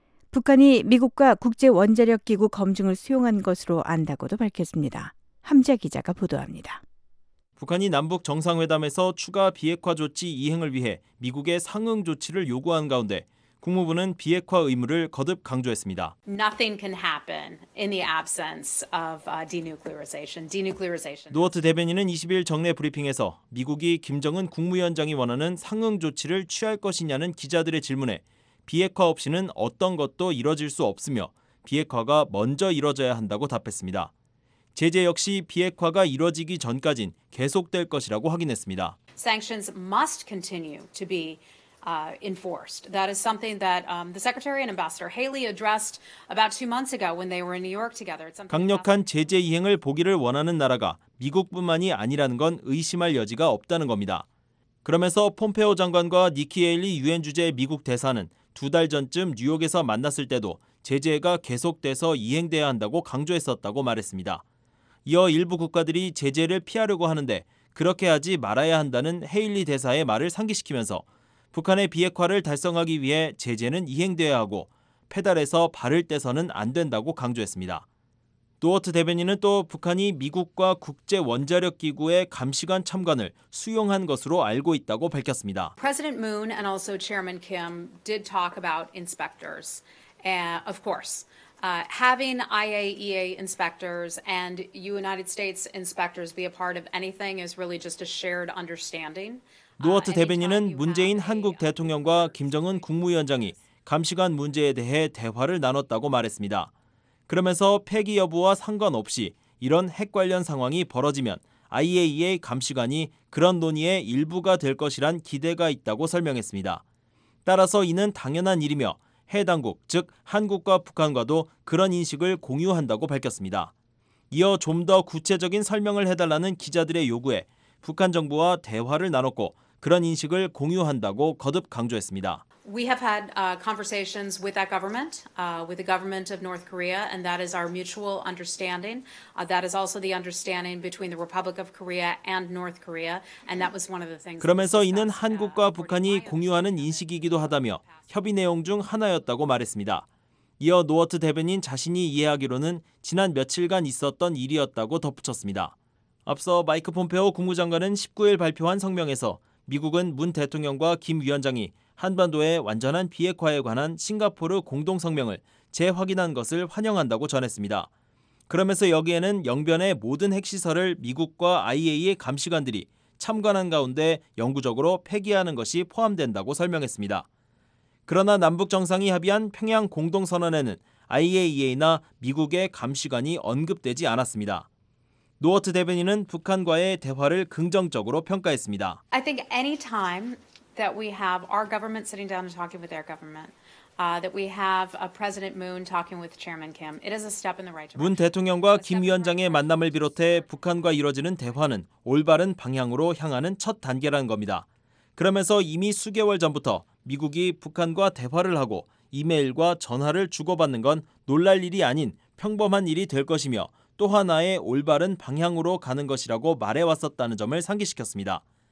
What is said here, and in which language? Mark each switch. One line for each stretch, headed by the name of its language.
Korean: 북한이 미국과 국제원자력기구 검증을 수용한 것으로 안다고도 밝혔습니다. 함재 기자가 보도합니다. 북한이 남북정상회담에서 추가 비핵화 조치 이행을 위해 미국의 상응 조치를 요구한 가운데 국무부는 비핵화 의무를 거듭 강조했습니다.
English: Nothing can happen in the absence of denuclearization.
Korean: 노어트 대변인은 20일 정례 브리핑에서 미국이 김정은 국무위원장이 원하는 상응 조치를 취할 것이냐는 기자들의 질문에 비핵화 없이는 어떤 것도 이뤄질 수 없으며 비핵화가 먼저 이뤄져야 한다고 답했습니다. 제재 역시 비핵화가 이뤄지기 전까진 계속될 것이라고 확인했습니다.
English: Sanctions must continue to be enforced. That is something that the Secretary and Ambassador Haley addressed about 2 months ago when they were in New York together.
Korean: 강력한 제재 이행을 보기를 원하는 나라가 미국뿐만이 아니라는 건 의심할 여지가 없다는 겁니다. 그러면서 폼페오 장관과 니키 헤일리 유엔 주재 미국 대사는 두 달 전쯤 뉴욕에서 만났을 때도 제재가 계속돼서 이행돼야 한다고 강조했었다고 말했습니다. 이어 일부 국가들이 제재를 피하려고 하는데 그렇게 하지 말아야 한다는 헤일리 대사의 말을 상기시키면서 북한의 비핵화를 달성하기 위해 제재는 이행돼야 하고 페달에서 발을 떼서는 안 된다고 강조했습니다. 노어트 대변인은 또 북한이 미국과 국제원자력기구의 감시관 참관을 수용한 것으로 알고 있다고 밝혔습니다.
English: President Moon and also Chairman Kim did talk about inspectors. Of course, having IAEA inspectors and United States inspectors be a part of anything is really just a shared understanding.
Korean: 노어트 대변인은 문재인 한국 대통령과 김정은 국무위원장이 감시관 문제에 대해 대화를 나눴다고 말했습니다. 그러면서 폐기 여부와 상관없이 이런 핵 관련 상황이 벌어지면 IAEA 감시관이 그런 논의의 일부가 될 것이란 기대가 있다고 설명했습니다. 따라서 이는 당연한 일이며 해당국, 즉 한국과 북한과도 그런 인식을 공유한다고 밝혔습니다. 이어 좀 더 구체적인 설명을 해달라는 기자들의 요구에 북한 정부와 대화를 나눴고 그런 인식을 공유한다고 거듭 강조했습니다.
English: We have had conversations with that government, with the government of North Korea, and that is our mutual understanding. That is also the understanding between the Republic of Korea and North Korea, and that was one of the things.
Korean: 그러면서 이는 한국과 북한이 공유하는 인식이기도 하다며 협의 내용 중 하나였다고 말했습니다. 이어 노어트 대변인 자신이 이해하기로는 지난 며칠간 있었던 일이었다고 덧붙였습니다. 앞서 마이크 폼페오 국무장관은 19일 발표한 성명에서 미국은 문 대통령과 김 위원장이 한반도의 완전한 비핵화에 관한 싱가포르 공동성명을 재확인한 것을 환영한다고 전했습니다. 그러면서 여기에는 영변의 모든 핵시설을 미국과 IAEA 감시관들이 참관한 가운데 영구적으로 폐기하는 것이 포함된다고 설명했습니다. 그러나 남북정상이 합의한 평양 공동선언에는 IAEA나 미국의 감시관이 언급되지 않았습니다. 노어트 대변인은 북한과의 대화를 긍정적으로 평가했습니다.
English: I think any time that we have our government sitting down and talking with their government, that we have a President Moon talking with Chairman Kim, it is a step in the right direction.
Korean: 문 대통령과 김 위원장의 만남을 비롯해 북한과 이뤄지는 대화는 올바른 방향으로 향하는 첫 단계라는 겁니다. 그러면서 이미 수개월 전부터 미국이 북한과 대화를 하고 이메일과 전화를 주고받는 건 놀랄 일이 아닌 평범한 일이 될 것이며 또 하나의 올바른 방향으로 가는 것이라고 말해왔었다는 점을 상기시켰습니다.